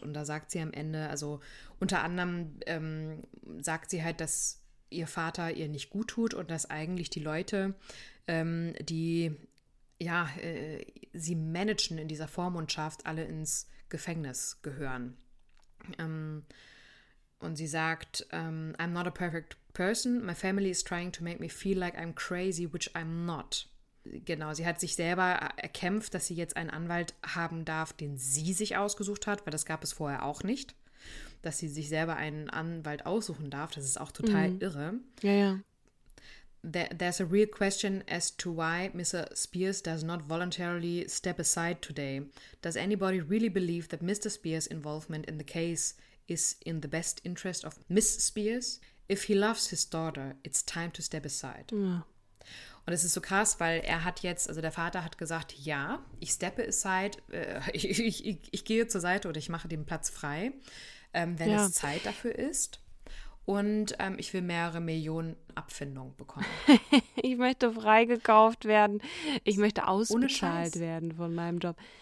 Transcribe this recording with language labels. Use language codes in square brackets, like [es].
[de] Und da sagt sie am Ende, also unter anderem sagt sie halt, dass ihr Vater ihr nicht gut tut und dass eigentlich die Leute, die sie managen in dieser Vormundschaft, alle ins Gefängnis gehören. Und sie sagt, [en] I'm not a perfect person. My family is trying to make me feel like I'm crazy, which I'm not. [de] Genau, sie hat sich selber erkämpft, dass sie jetzt einen Anwalt haben darf, den sie sich ausgesucht hat, weil das gab es vorher auch nicht, dass sie sich selber einen Anwalt aussuchen darf. Das ist auch total irre. Ja, ja. [en] There's a real question as to why Mr. Spears does not voluntarily step aside today. Does anybody really believe that Mr. Spears' involvement in the case is in the best interest of Miss Spears? If he loves his daughter, it's time to step aside. [de] Ja. Und es ist so krass, weil er hat jetzt, also der Vater hat gesagt, ja, ich steppe aside, ich gehe zur Seite oder ich mache den Platz frei, wenn es Zeit dafür ist. Und ich will mehrere Millionen Abfindung bekommen. Ich möchte freigekauft werden. Ich möchte ausgezahlt werden von meinem Job.